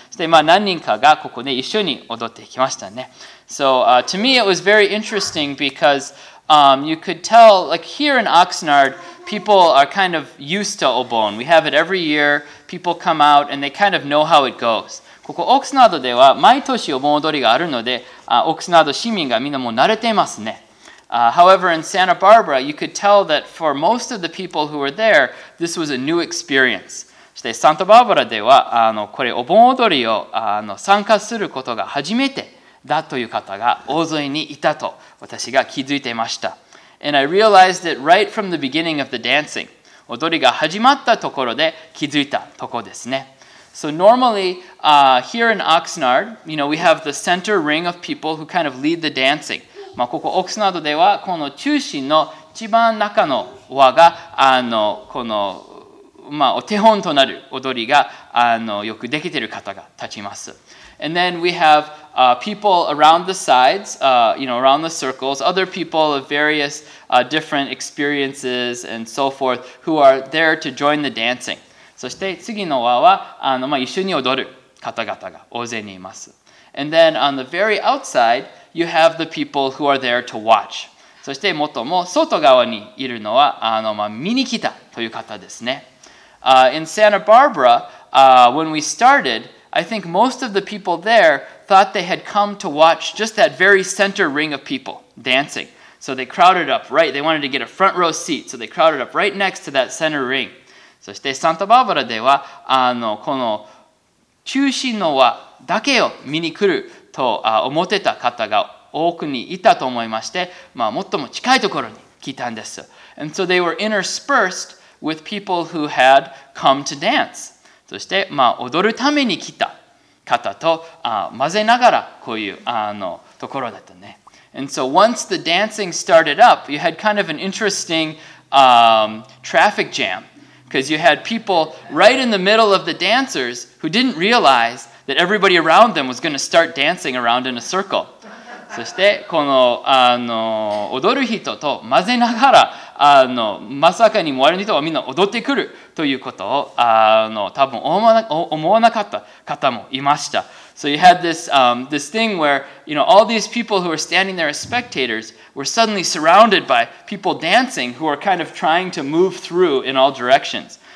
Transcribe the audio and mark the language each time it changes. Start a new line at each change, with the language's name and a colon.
Japanese: で、何人かがここで一緒に踊ってきましたね。
English: So to me it was very interesting because you could tell, like here in Oxnard, people are kind of used to Obon. We have it every year. People come out and they kind of know how it goes.
Japanese: ここオクスナードでは毎年お盆踊りがあるので、オクスナード市民がみんなもう慣れていますね。
English: However, in Santa Barbara, you could tell that for most of the people who were there, this was a new experience.
Japanese: そしてサンタバーバラでは、これお盆踊りを参加することが初めてだという方が大勢にいたと私が気づいていました。
English: And I realized it right from the beginning of the dancing.
Japanese: 踊りが始まったところで気づいたところですね。
English: So normally, here in Oxnard, you know, we have the center ring of people who kind of lead the dancing.
Japanese: まあ、ここオクスナードではこの中心の一番中の輪がこの、まあ、お手本となる踊りがよくできている方が立ちます。
English: And then we have people around the sides, you know, around the circles, other people of various different experiences and so forth, who are there to join the dancing.
Japanese: そして次の輪は一緒に踊る方々が大勢にいます。
English: And then on the very outside, you have the people who are there to watch.
Japanese: そして最も外側にいるのは見に来たという方ですね。
English: In Santa Barbara, when we started, I think most of the people there thought they had come to watch just that very center ring of people dancing. So they crowded up, right? They wanted to get a front row seat. So they crowded up right next to that center ring.
Japanese: そしてサンタバーバラでは、この中心の輪だけを見に来ると思ってた方が多くにいたと思いまして、まあ、最も近いところに来たんです。
English: And so they were interspersed with people who had come to dance.
Japanese: そして、まあ、踊るために来た方と混ぜながらこういうところだったね。
English: And so once the dancing started up, you had kind of an interesting traffic jam. Because you had people right in the middle of the dancers who didn't realize that everybody around them was going to start dancing around in a circle.
Japanese: そしてこの踊る人と混ぜながらまさかにも悪い人はみんな踊ってくるということを思わなかった方もいました。
English: So you had this, this thing where, you know, all these people who were standing there as spectators were suddenly surrounded by people dancing who are kind of trying to move through in all directions.